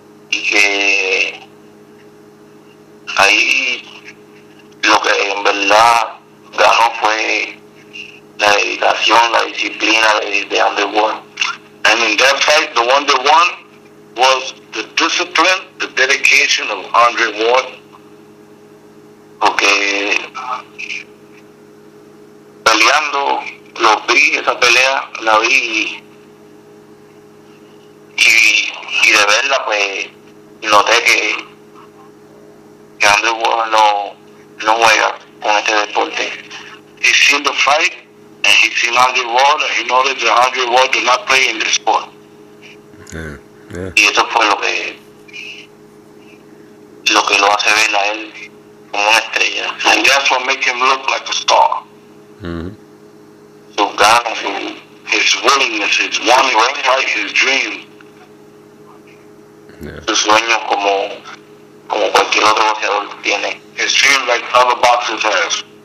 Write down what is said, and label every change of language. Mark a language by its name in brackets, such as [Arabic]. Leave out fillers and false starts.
[Spanish] Y que ahí lo que en verdad ganó fue la dedicación, la disciplina de Andre Ward. [English] And in that fight, the one that won was the discipline, the dedication of Andre Ward. [Spanish] Porque peleando, lo vi, esa pelea, la vi y de verla, pues, noté que Andre Ward no juega con este deporte. [English] He seen the fight, and he seen Andre Ward, and he noticed that Andre Ward do not play in this sport. Yeah. [Spanish] Y eso fue lo que lo hace ver a él como una estrella. [English] And that's what makes him look like a star. Mm-hmm. [Spanish] Su gana, [English] his willingness, his wanting to fight, his dream. Yeah. [Spanish] Su sueño como cualquier otro boxeador tiene. [English] His dream like other boxers have.